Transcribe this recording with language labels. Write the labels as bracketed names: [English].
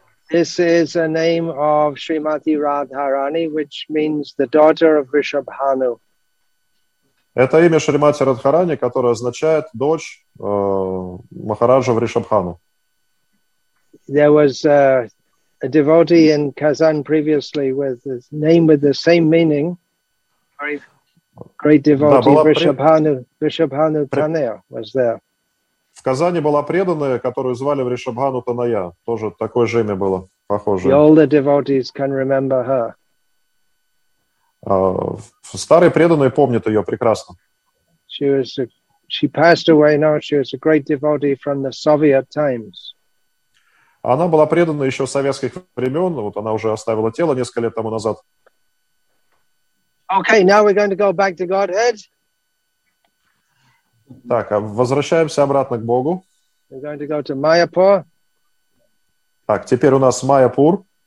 [English] This is a name of Srimati Radharani, which means the daughter of Vrishabhanu. [Russian] Это имя Шримати Радхарани, которое означает дочь Махараджа Вришабхану. [English] There was a devotee in Kazan previously with his name with the same meaning. Great devotee, Vrishabhanu Tanaya was there. [Russian] В Казани была преданная, которую звали Вришабхану Танайя. Тоже такое же имя было, похоже. [English] The older devotees can remember her. [Russian] Старые преданные помнят ее прекрасно. [English] She passed away now. She was a great devotee from the Soviet times. [Russian] Она была предана еще с советских времен. Вот она уже оставила тело несколько лет тому назад. [English] Okay, now we're going to go back to Godhead. [Russian] Так, возвращаемся обратно к Богу. [English] We're going to go to Mayapur. [Russian] Так, теперь у нас Майяпур.